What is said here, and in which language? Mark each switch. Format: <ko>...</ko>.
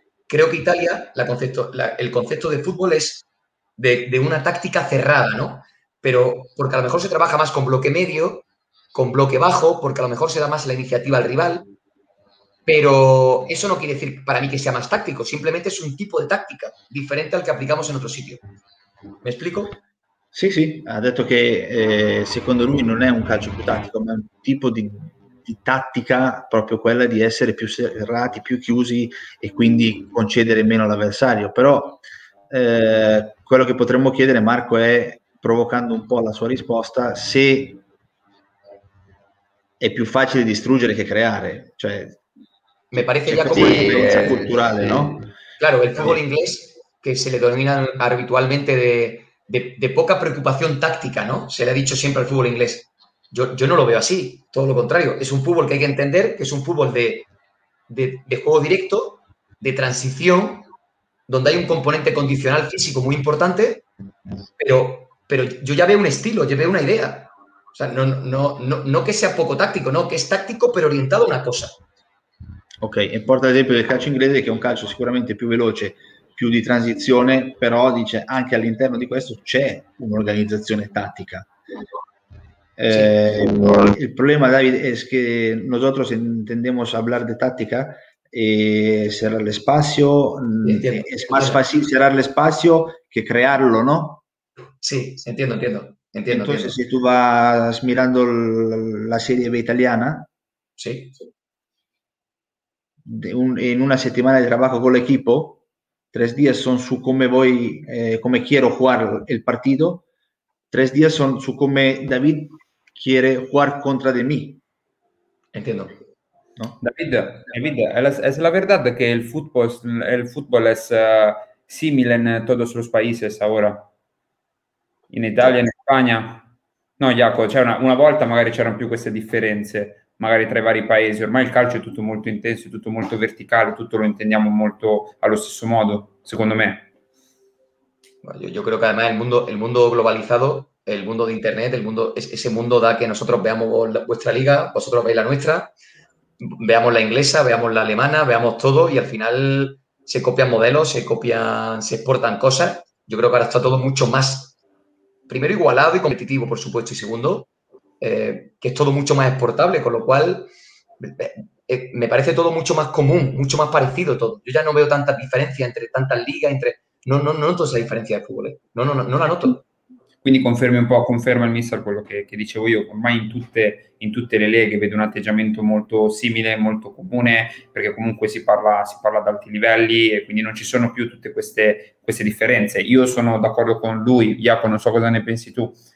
<es>Creo que Italia, el concepto de fútbol es de una táctica cerrada, ¿no? Pero porque a lo mejor se trabaja más con bloque medio, con bloque bajo, porque a lo mejor se da más la iniciativa al rival. Pero eso no quiere decir para mí que sea más táctico. Simplemente es un tipo de táctica diferente al que aplicamos en otro sitio. ¿Me explico?</es> <it>Sì, sì, ha detto che secondo lui non è un calcio più tattico, ma è un tipo di tattica proprio quella di essere più serrati, più chiusi e quindi concedere meno all'avversario. Però quello che potremmo chiedere, Marco, è provocando un po' la sua risposta, se è più facile distruggere che creare. Cioè, mi pare che come differenza culturale, no?</it> <es>Claro,</es> <it>il football inglese.</it> <es>Que se le denomina habitualmente de poca preocupación táctica, ¿no? Se le ha dicho siempre al fútbol inglés. Yo no lo veo así, todo lo contrario. Es un fútbol que hay que entender, que es un fútbol de juego directo, de transición, donde hay un componente condicional físico muy importante, pero yo ya veo un estilo, ya veo una idea. O sea, no que sea poco táctico, no, que es táctico, pero orientado a una cosa.</es> <it>Ok, e porta l'esempio del calcio inglese, che è un calcio sicuramente più veloce, più di transizione, però dice anche all'interno di questo c'è un'organizzazione tattica. Il problema, Davide, è che noi tendiamo a parlare di tattica e serrare spazio, è più facile serrare spazio che crearlo, no?</it> <es>Sì, entiendo. Entonces, se tu vas mirando la Serie B italiana, sí. En una semana de trabajo con el equipo, tres días son su cómo voy, cómo quiero jugar el partido, tres días son su cómo David quiere jugar contra de mí. Entiendo. ¿No? David, es la verdad que el fútbol es similar en todos los países ahora.</es> <it>In Italia, in Spagna, no, Jacopo, cioè una volta magari c'erano più queste differenze, magari tra i vari paesi. Ormai il calcio è tutto molto intenso, è tutto molto verticale, tutto lo intendiamo molto allo stesso modo, secondo me. Io credo che</it> <es>además</es> <it>il mondo globalizzato, il mondo</it> <es>di internet, il mondo, ese mondo da che nosotros veamos vuestra liga, vosotros veis la nuestra, veamos la inglesa, veamos la alemana, veamos todo, y al final se copian modelos, se exportan cosas. Yo creo que ahora está todo mucho más. Primero, igualado y competitivo, por supuesto. Y segundo, que es todo mucho más exportable, con lo cual me parece todo mucho más común, mucho más parecido todo. Yo ya no veo tantas diferencias entre tantas ligas, entre... No noto esa diferencia de fútbol, ¿eh? No la noto.</es> <it>Quindi confermi un po', conferma il mister quello che dicevo io, ormai in tutte le leghe vedo un atteggiamento molto simile, molto comune, perché comunque si parla ad alti livelli e quindi non ci sono più tutte queste differenze. Io sono d'accordo con lui, Jacopo, non so cosa ne pensi tu.</it>